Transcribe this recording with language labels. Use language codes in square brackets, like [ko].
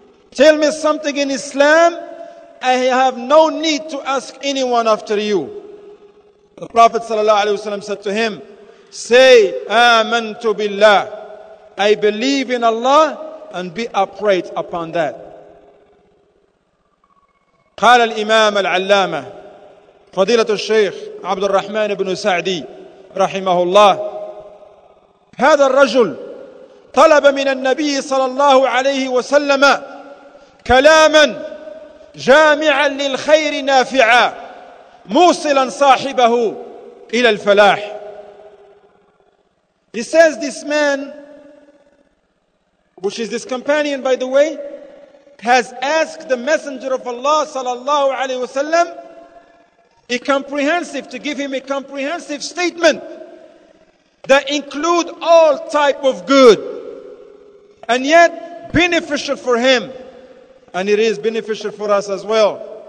[en] Tell me something in Islam I have no need to ask anyone after you. The Prophet sallallahu alaihi wasallam said to him, say amantu billah, I believe in Allah, and be upright upon that. [ar] قال الإمام العلامة فضيلة الشيخ عبد الرحمن بن سعدي رحمه الله: هذا الرجل طلب من النبي صلى الله عليه وسلم كلاما جامعا للخير نافعا موصلا صاحبه إلى الفلاح. [en] He says this man, which is this companion by the way, has asked the Messenger of Allah sallallahu alayhi wasallam a comprehensive, to give him a comprehensive statement that include all type of good and yet beneficial for him, and it is beneficial for us as well.